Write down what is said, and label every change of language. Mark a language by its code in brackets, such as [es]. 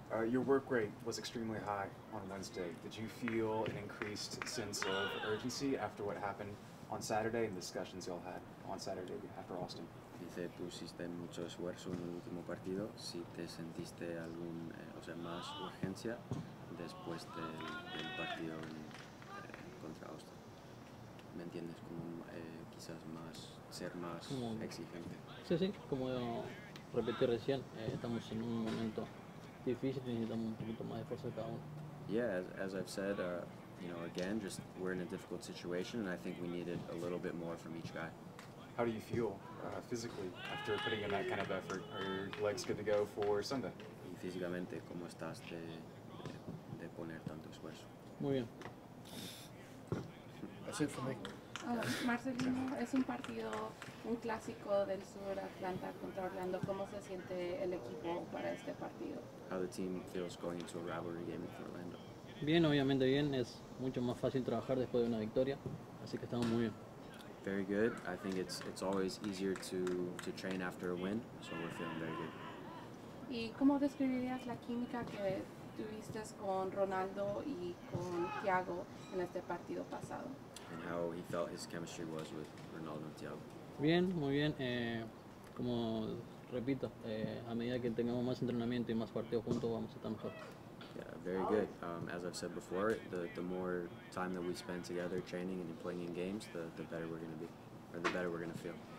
[en] Your work rate was extremely high on Wednesday. Did you feel an increased sense of urgency after what happened on Saturday and the discussions y'all had on Saturday after Austin? [es] Dice, pusiste mucho esfuerzo en el último partido. Si te sentiste algún, o sea, más urgencia después del partido contra Austin. ¿Me entiendes? Como quizás más, ser más como, exigente. Sí, sí, como repetí recién, estamos en un momento difícil, necesitamos un poquito más de fuerza de cada uno. [en] Yeah, as I've said, you know, again, just we're in a difficult situation and I think we needed a little bit more from each guy. How do you feel physically after putting in that kind of effort? Are your legs good to go for Sunday? [es] Y físicamente, ¿cómo estás de poner tanto esfuerzo? Muy bien. [en] That's it for me. [es] Marcelino, es un partido, un clásico del sur, Atlanta contra Orlando. ¿Cómo se siente el equipo para este partido? [en] How the team feels going into a rivalry game for Orlando? [es] Bien, obviamente bien. Es mucho más fácil trabajar después de una victoria. Así que estamos muy bien. [en] Very good. I think it's always easier to train after a win, so we're feeling very good. [es] ¿Y cómo describirías la química que tuviste con Ronaldo y con Thiago en este partido pasado? [en] And how he felt his chemistry was with Ronaldo and Thiago. [es] Bien, muy bien. Como repito, a medida que tengamos más entrenamiento y más partidos juntos, vamos a estar mejor. [en] Yeah, very good. As I've said before, the more time that we spend together training and playing in games, the better we're going to be, or the better we're going to feel.